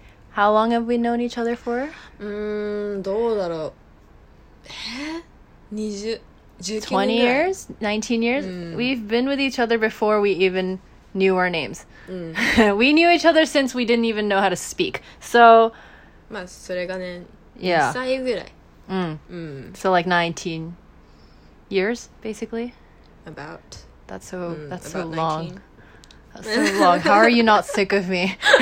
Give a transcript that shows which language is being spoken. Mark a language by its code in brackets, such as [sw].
[en] How long have we known each other for? [ja] どうだろう [en] 20 years? 19 years? We've been with each other before we even knew our names. We knew each other since we didn't even know how to speak. So... [ja] まあ、それがね、2歳ぐらい。 [en] So like 19 years, basically? About that's so that's so long, that's so long. How are you not sick of me?